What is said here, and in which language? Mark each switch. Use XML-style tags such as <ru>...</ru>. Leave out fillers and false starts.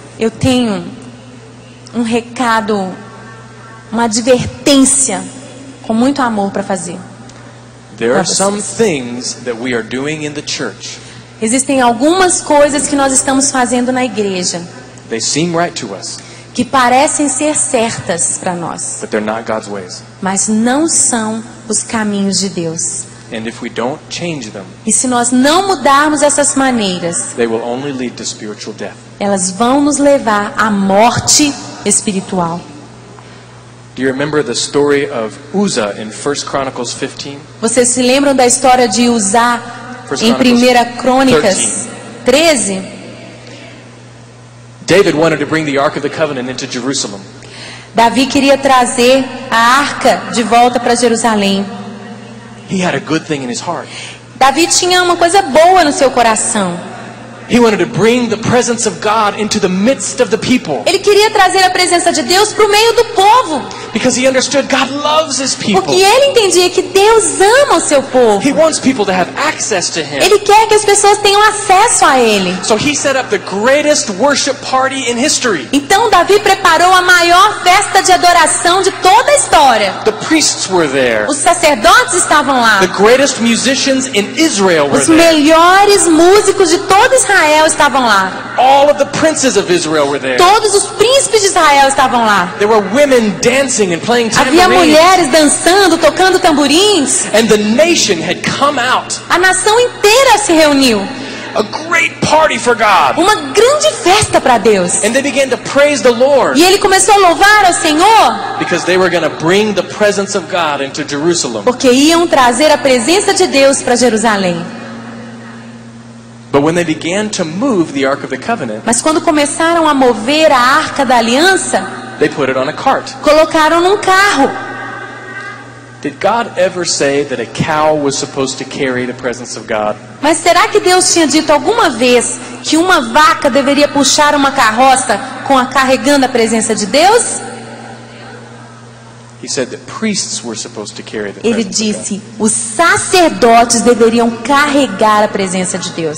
<pt>Eu tenho um recado, uma advertência com muito amor para fazer.</pt> <en>There are some things that we are doing in the church.</en> <pt>Existem algumas coisas que nós estamos fazendo na igreja.</pt> <en>They seem right to us.</en> <pt>Que parecem ser certas para nós.</pt> <en>But they're not God's ways.</en> <pt>Mas não são os caminhos de Deus.</pt> <en>And if we don't change them,</en> <pt>e se nós não mudarmos essas maneiras,</pt> <en>they will only lead to spiritual death.</en> <pt>Elas vão nos levar à morte espiritual.</pt> <en>Do you remember the story of Uzzah in 1 Chronicles 15?</en> <pt>Vocês se lembram da história de Uzzah em 1 Crônicas 13?</pt> <en>David wanted to bring the Ark of the Covenant into Jerusalem.</en> <pt>Davi queria trazer a arca de volta para Jerusalém.</pt> <en>He had a good thing in his heart.</en> <pt>Davi tinha uma coisa boa no seu coração.</pt> <en>He wanted to bring the presence of God into the midst of the people.</en> <pt>Ele queria trazer a presença de Deus para o meio do povo.</pt> <en>Because he understood God loves his people.</en> <pt>Porque ele entendia que Deus ama o seu povo.</pt> <en>He wants people to have access to him.</en> <pt>Ele quer que as pessoas tenham acesso a ele.</pt> <en>So he set up the greatest worship party in history.</en> <pt>Então Davi preparou a maior festa de adoração de toda a história.</pt> <en>The priests were there.</en> <pt>Os sacerdotes estavam lá.</pt> <en>The greatest musicians in Israel were there.</en> <pt>Os melhores músicos de todo Israel estavam lá.</pt> <en>All of the princes of Israel were there.</en> <pt>Todos os príncipes de Israel estavam lá.</pt> <en>There were women dancing and playing tambourines.</en> <pt>Havia mulheres dançando, tocando tamborins.</pt> <en>And the nation had come out.</en> <pt>A nação inteira se reuniu.</pt> <en>A great party for God.</en> <pt>Uma grande festa para Deus.</pt> <en>And they began to praise the Lord.</en> <pt>E ele começou a louvar ao Senhor.</pt> <en>Because they were going to bring the presence of God into Jerusalem.</en> <pt>Porque iam trazer a presença de Deus para Jerusalém.</pt> <en>But when they began to move the Ark of the Covenant,</en> <pt>mas quando começaram a mover a Arca da Aliança,</pt> <en>they put it on a cart.</en> <pt>Colocaram num carro.</pt> <en>Did God ever say that a cow was supposed to carry the presence of God?</en> <pt>Mas será que Deus tinha dito alguma vez que uma vaca deveria puxar uma carroça com a carregando a presença de Deus?</pt> <en>He said that priests were supposed to carry the presence.</en> <pt>Ele disse, os sacerdotes deveriam carregar a presença de Deus.</pt>